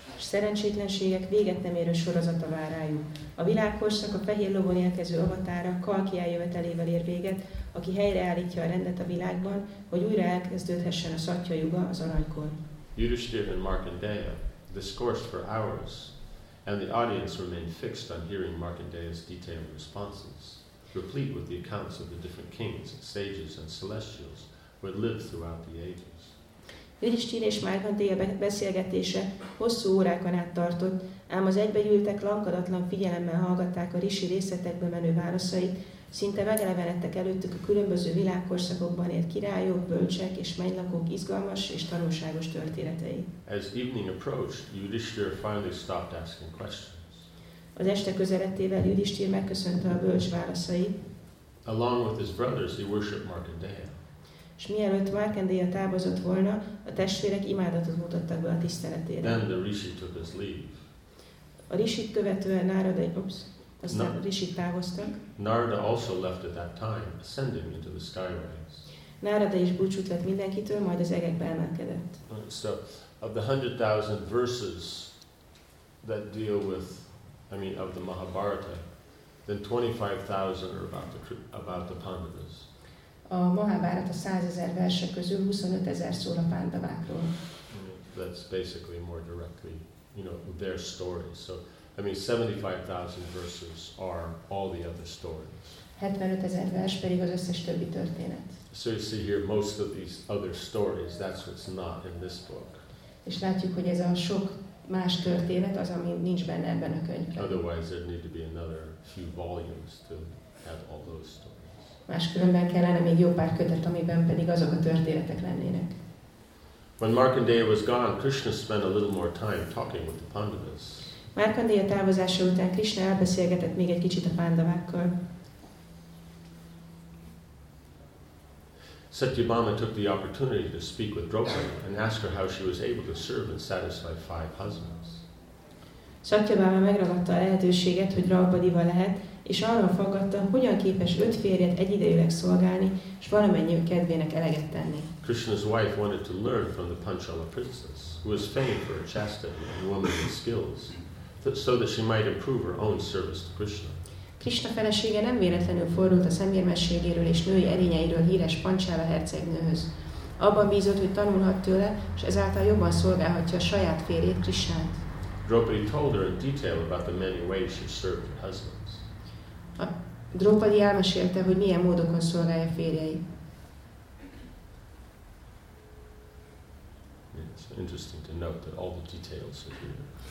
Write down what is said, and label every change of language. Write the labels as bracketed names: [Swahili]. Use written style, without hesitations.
[Hungarian] S szerencsétlenségek véget nem érő sorozata vár rájuk. A világkorszak a fehér lovon érkező avatára Kalki eljövetelével ér véget, aki helyreállítja a rendet a világban, hogy újra elkezdődhessen a Satyuga, az aranykor. [English] Yudhishthira and Markandeya discoursed for hours, and the audience remained fixed on hearing Markandeya's detailed responses, replete with the accounts of the different kings, sages, and celestials who had lived throughout the ages. [Hungarian] Yudhishthira és Markandeya beszélgetése hosszú órákon át tartott, ám az egybegyűltek lankadatlan figyelemmel hallgatták a Rishi részletekbe menő válaszait, szinte megelevenedtek előttük a különböző világkorszakokban élt királyok, bölcsek és mennylakók izgalmas és tanulságos történetei. [English] As evening approached, Yudhishthira finally stopped asking questions. [Hungarian] Az este közeledtével Yudhishthira megköszönte a bölcs válaszait. [English] Along with his brothers, he worshipped Markandeya. [Hungarian] És mielőtt Markandeya távozott volna, a testvérek imádatot mutattak be a tiszteletére. [English] Then the Rishi took his leave. [Hungarian] A Rishit követően Rishit távoztak. [English] Narada also left at that time, ascending into the skyways. [Hungarian] Narada is búcsút vett mindenkitől, majd az egekbe emelkedett. [English] So, of the 100,000 verses that deal with, of the Mahabharata, then 25,000 are about the Pandavas. [Hungarian] A Mahabharata 100,000 verse közül 25,000 szól a Pandavákról. [English] That's basically more directly, their story. So, 75,000 verses are all the other stories. [Hungarian] 75,000 vers pedig az összes többi történet. [English] So you see here, most of these other stories, that's what's not in this book. [Hungarian] És látjuk, hogy ez a sok más történet az, ami nincs benne ebben a könyvben. [English] Otherwise, there need to be another few volumes to have all those stories. [Hungarian] Máskülönben kellene még jó pár kötet, amiben pedig azok a történetek lennének. [English] When Markandeya was gone, Krishna spent a little more time talking with the Pandavas. [Hungarian] Markandeya távozása után Krishna elbeszélgetett még egy kicsit a Pandavákkal. [English] Satyabhama took the opportunity to speak with Draupadi and ask her how she was able to serve and satisfy five husbands. [Hungarian] Satyabhama megragadta a lehetőséget, hogy Draupadival lehet, és arról faggatta, hogyan képes öt férjet egyidejűleg szolgálni, és valamennyi kedvének eleget tenni. [English] Krishna's wife wanted to learn from the Panchala princess, who was famed for her chastity and womanly skills, so that she might improve her own service to Krishna. [Hungarian] Krishna felesége nem véletlenül fordult a szemérmességéről és női erényeiről híres Panchala hercegnőhöz. Abban bízott, hogy tanulhat tőle, és ezáltal jobban szolgálhatja a saját férjét, Krishnát. [English] Draupadi told her in detail about the many ways she served her husbands. [Hungarian] A Draupadi elmesélte, hogy milyen módokon szolgálja férjeit. [English] It's interesting to note that all the details are here.